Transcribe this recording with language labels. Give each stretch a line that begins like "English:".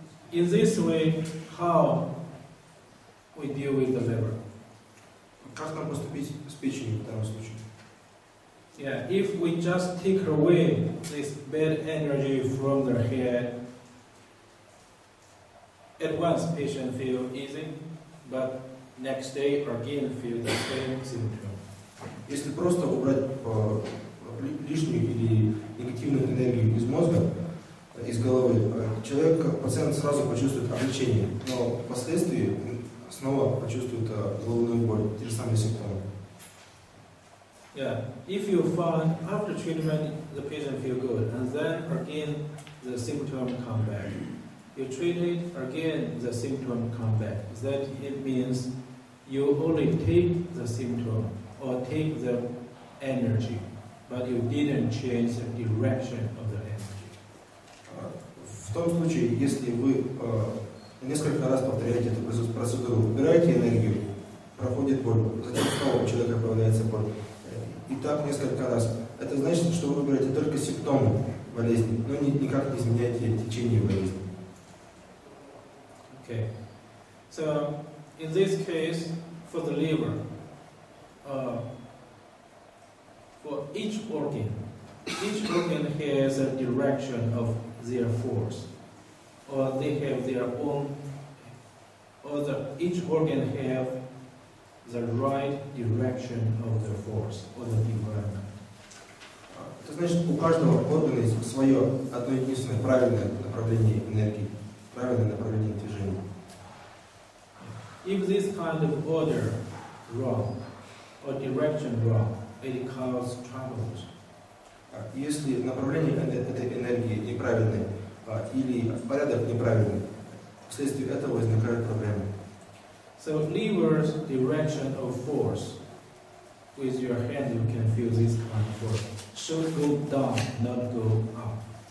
English: In this way, how we deal with the liver?
Russian: Как нам поступить с печенью в данном случае?
English: Yeah, if we just take away this bad energy from the head, at once patient feel easy, but next day again feel the same symptom.
Russian: Если просто убрать лишнюю или негативную энергию из мозга, из головы, человек, пациент сразу почувствует облегчение, но впоследствии снова почувствует головную боль, те же самые симптомы.
English: Yeah, if you find after treatment the patient feel good, and then again the symptom come back. You treat it, again the symptom come back. That it means you only take the symptom or take the energy, but you didn't change the direction of the energy.
Russian: В том случае, если вы несколько раз повторяете эту процедуру, убираете энергию, проходит боль, затем снова у человека появляется боль. И так несколько раз. Это значит, что вы выбираете только симптомы болезни, но никак не изменяете течение болезни.
English: Okay. So, in this case, for the liver, for each organ has a direction of their force, or they have their own, or the, each organ have the right direction of the force, or the development.
Russian: Это значит, у каждого органа есть свое, одно единственное правильное направление энергии. Правильное направление движения.
English: If this kind of order wrong, or direction wrong, it causes troubles.
Russian: Если направление этой энергии неправильное, или порядок неправильный, вследствие этого возникают проблемы.
English: So liver's direction of force, with your hand you can feel this kind of force, should go down, not go up.